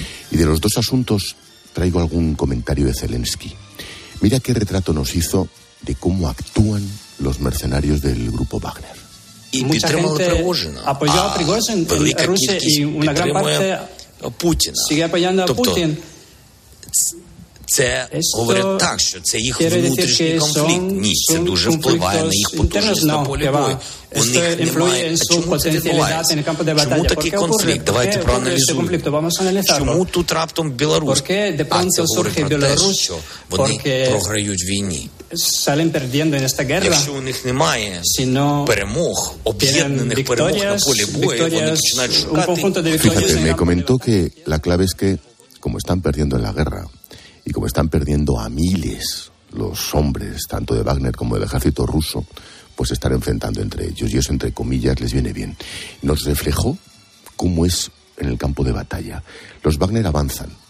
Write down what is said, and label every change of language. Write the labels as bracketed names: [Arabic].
[Spanish] Y de los dos asuntos, traigo algún comentario de Zelensky. Mira qué retrato nos hizo de cómo actúan los mercenarios del grupo Wagner. Mucha gente apoyó a Prigozhin en Rusia y una gran parte sigue apoyando a Putin. [Ukrainian] Це говорять так, що це їх внутрішній конфлікт. Ні, це дуже впливає на їх потужність на полі бою. У них немає. А чому це відбувається? Чому такий конфлікт? Давайте проаналізуємо. Чому тут раптом Білорусь? А це говорить про те, що вони програють війні. Якщо у них немає перемог, об'єднаних перемог на полі бою, вони починають шукати. [Spanish] Me comentó que la clave es que, como están perdiendo en la guerra y como están perdiendo a miles los hombres, tanto de Wagner como del ejército ruso, pues se están enfrentando entre ellos. Y eso, entre comillas, les viene bien. Nos reflejó cómo es en el campo de batalla. Los Wagner avanzan.